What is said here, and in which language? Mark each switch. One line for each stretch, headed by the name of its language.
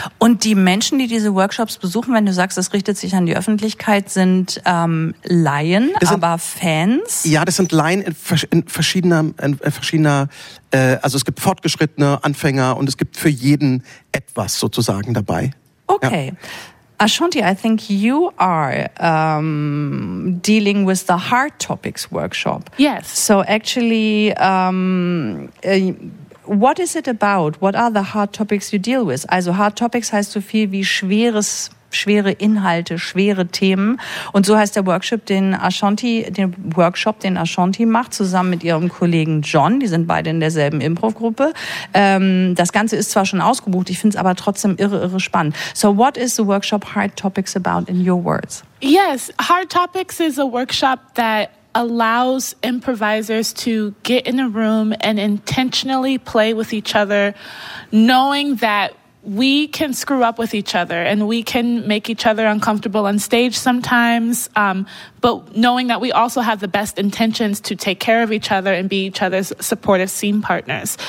German: Und die Menschen, die diese Workshops besuchen, wenn du sagst, es richtet sich an die Öffentlichkeit, sind Laien, aber Fans? Ja, das sind Laien in verschiedener, also es gibt fortgeschrittene Anfänger und es gibt für jeden etwas sozusagen dabei. Okay. Ja.
English: Ashanti, I think you are dealing with the hard topics workshop. Yes. So actually, what is it about? What are the hard topics you deal with?
German: Also hard topics heißt so viel wie schwere Inhalte, schwere Themen. Und so heißt der Workshop, den Ashanti macht, zusammen mit ihrem Kollegen John. Die sind beide in derselben Improv-Gruppe. Das Ganze ist zwar schon ausgebucht, ich finde es aber trotzdem irre, irre spannend.
English: So what is the workshop Hard Topics about in your words? Yes, Hard Topics is a workshop that allows improvisers to get in a room and intentionally play with each other, knowing that we can screw up with each other and we can make each other uncomfortable on stage sometimes, but knowing that we also have the best intentions to take care of each other and be each other's supportive scene partners.